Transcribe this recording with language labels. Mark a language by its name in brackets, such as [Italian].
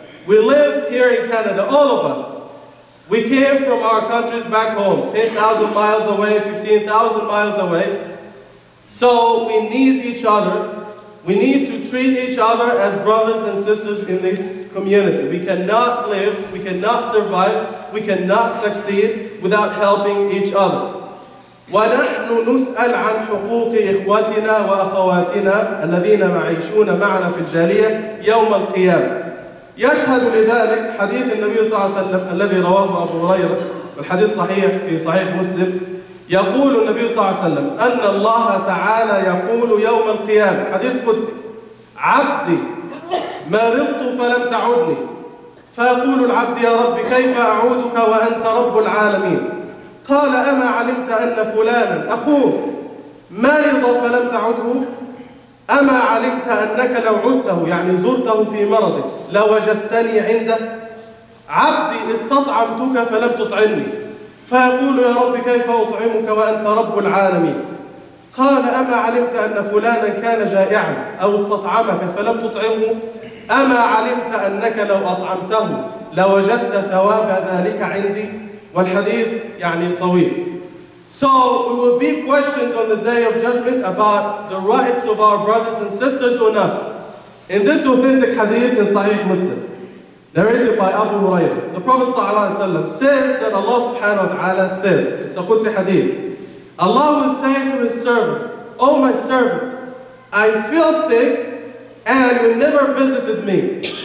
[English] We live here in Canada, all of us. We came from our countries back home, 10,000 miles away, 15,000 miles away. So we need each other. We need to treat each other as brothers and sisters in this community. We cannot live, we cannot survive, we cannot succeed without helping each other. [Arabic] وَنَحْنُ نُسْأَلْ عَنْ حُقُوقِ إِخْوَتِنَا وَأَخَوَاتِنَا الَّذِينَ مَعِيشُونَ مَعْنَا فِي الْجَالِيَةِ يَوْمَ الْقِيَامِ يشهد لذلك حديث النبي صلى الله عليه وسلم الذي رواه أبو هريرة، والحديث صحيح في صحيح مسلم. يقول النبي صلى الله عليه وسلم أن الله تعالى يقول يوم القيامة، حديث قدسي، عبدي مرضت فلم تعدني، فأقول العبد يا رب كيف أعودك وأنت رب العالمين؟ قال أما علمت أن فلانا أخوك مرض فلم تعده؟ أما علمت أنك لو عدته يعني زرته في مرضه لوجدتني عنده؟ عبدي استطعمتك فلم تطعمني، فأقول يا رب كيف أطعمك وأنت رب العالمين؟ قال أما علمت أن فلانا كان جائعا أو استطعمك فلم تطعمه؟ أما علمت أنك لو أطعمته لوجدت ثواب ذلك عندي؟ والحديث يعني طويل. [English] So we will be questioned on the day of judgment about the rights of our brothers and sisters on us. In this authentic hadith in Sahih Muslim, narrated by Abu Hurairah, the Prophet says that Allah subhanahu wa ta'ala says, it's a Qudsi hadith, Allah will say to his servant, "Oh my servant, I feel sick and you never visited me."